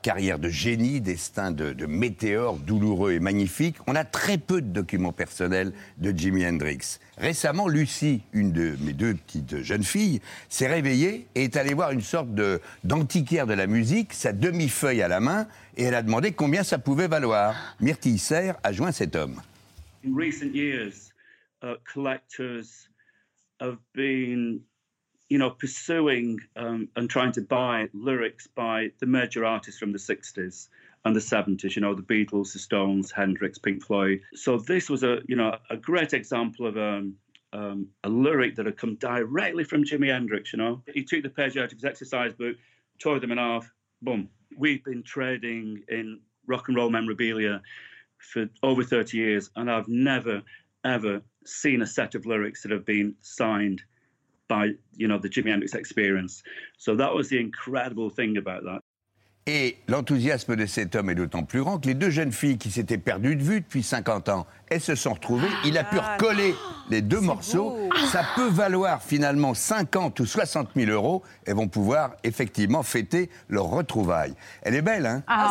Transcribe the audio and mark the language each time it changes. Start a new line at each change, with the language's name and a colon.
French: Carrière de génie, destin de météore douloureux et magnifique. On a très peu de documents personnels de Jimi Hendrix. Récemment, Lucie, une de mes deux petites jeunes filles, s'est réveillée et est allée voir une sorte d'antiquaire de la musique, sa demi-feuille à la main, et elle a demandé combien ça pouvait valoir. Myrtille Serre a joint cet homme.
English: In recent years, collectors have been, you know, pursuing and trying to buy lyrics by the major artists from the 60s and the 70s, you know, the Beatles, the Stones, Hendrix, Pink Floyd. So this was a great example of a lyric that had come directly from Jimi Hendrix, you know. He took the page out of his exercise book, tore them in half, boom. We've been trading in rock and roll memorabilia for over 30 years, and I've never, ever seen a set of lyrics that have been signed by, you know, the Jimi Hendrix experience. So that was the incredible thing about that.
French: Et l'enthousiasme de cet homme est d'autant plus grand que les deux jeunes filles qui s'étaient perdues de vue depuis 50 ans, elles se sont retrouvées, il a pu recoller les deux morceaux. Beau. Ça peut valoir finalement 50 ou 60 000 euros. Elles vont pouvoir effectivement fêter leur retrouvaille. Elle est belle, hein?